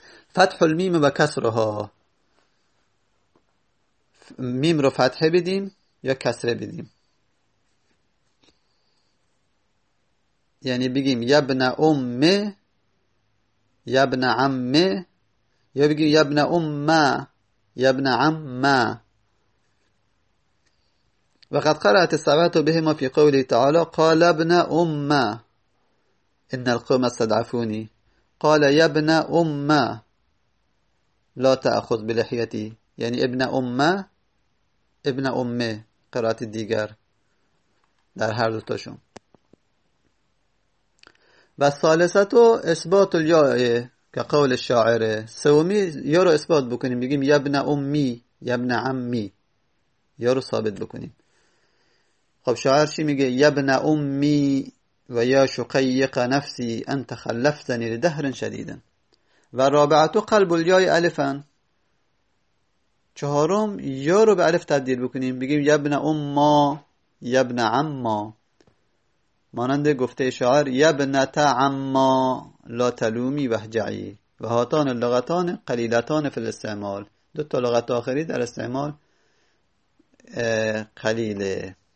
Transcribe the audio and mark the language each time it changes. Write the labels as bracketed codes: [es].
[fa] فتح المیم و کسرها، میم رو فتحه بدیم یا کسره بدیم؟ یعنی بگیم یبن ام، یبن عم، یا بگیم یبن ام، یبن عم. [ar] وقد قرأت السبعة بهما في قوله تعالى قال ابن أم إن القوم استضعفوني، قال يا ابن أم لا تأخذ بلحيتي، يعني ابن أم، ابن أم قرأت الديگر [fa] در هر دوتاشون. [ar] والثالثة إثبات الياء كقول الشاعر، [fa] سومي يا رو إثبات بكنين، بيجيم يا ابن أمي يا ابن عمي، يا رو ثابت بكنين. خب شاعر چی میگه؟ [ar] یبن امی و یا شقیق نفسی انت خلفتنی لدهر شدیدا. و رابعتو قلب الیای الفن، [fa] چهارم یا رو به الف تبدیل بکنیم، بگیم یبن اما یبن عما، مانند گفته شاعر [ar] یبن تا عما لا تلومی وهجعی، و هاتان اللغتان قلیلتان فی الاستعمال، [fa] دو تا لغت آخری در استعمال قلیله.